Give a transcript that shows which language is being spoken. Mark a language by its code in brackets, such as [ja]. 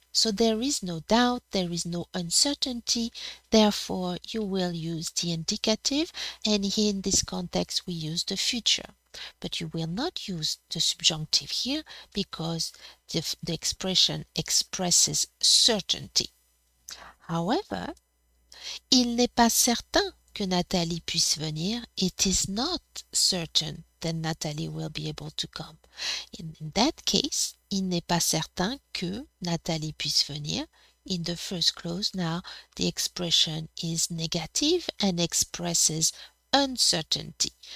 [en] So there is no doubt, there is no uncertainty, therefore you will use the indicative, and here in this context we use the future. But you will not use the subjunctive here because the expression expresses certainty. However, [fr] il n'est pas certain que Nathalie puisse venir. [en] It is not certain that Nathalie will be able to come. In that case, [fr] il n'est pas certain que Nathalie puisse venir. [en] In the first clause, now the expression is negative and expresses uncertainty.